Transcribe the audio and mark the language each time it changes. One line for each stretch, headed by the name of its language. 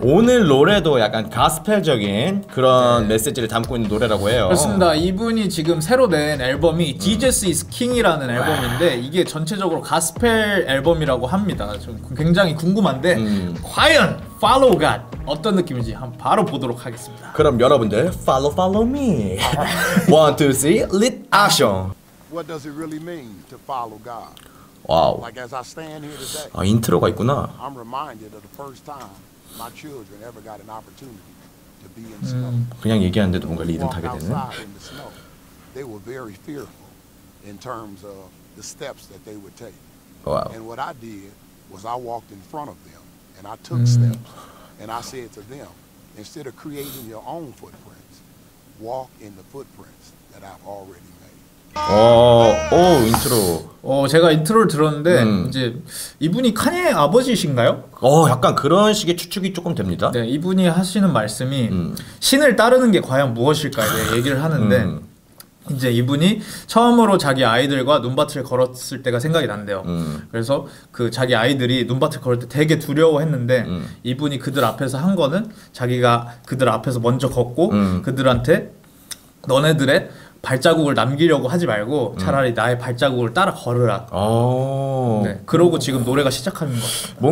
Korean: 오늘 노래도 약간 가스펠적인 그런 네. 메시지를 담고 있는 노래라고 해요 그렇습니다 이분이 지금 새로 낸 앨범이 Jesus is King이라는 앨범인데 와. 이게 전체적으로 가스펠 앨범이라고 합니다 좀 굉장히 궁금한데 과연 Follow God 어떤 느낌인지 한번 바로 보도록 하겠습니다
English: 그럼 여러분들 Follow Follow Me 1, 2, 3, Lit Action What does it really mean to follow God? Wow. Like as I stand here today,
Korean: 아, 인트로가 있구나.
English: I'm reminded of the first time my children ever got an opportunity to be in snow.
Korean: 그냥 얘기하는데도 뭔가 리듬 타게 되네.
English: They were very fearful in terms of the steps that they would take. Wow. And what I did was I walked in front of them and I took steps and I said to them, instead of creating your own footprints, walk in the footprints that I've already made.
Korean: 오 인트로 제가 인트로를 들었는데 이제 이분이 카니의 아버지이신가요? 약간 그런 식의 추측이 조금 됩니다 네 이분이 하시는 말씀이 신을 따르는 게 과연 무엇일까요? 얘기를 하는데 이제 이분이 처음으로 자기 아이들과 눈밭을 걸었을 때가 생각이 난대요 그래서 그 자기 아이들이 눈밭을 걸을 때 되게 두려워했는데 이분이 그들 앞에서 한 거는 자기가 그들 앞에서 먼저 걷고 그들한테 너네들의 발자국을 남기려고 하지 말고 차라리 나의 발자국을 따라 걸으라 네, 그러고 지금 노래가 시작하는 것 같아요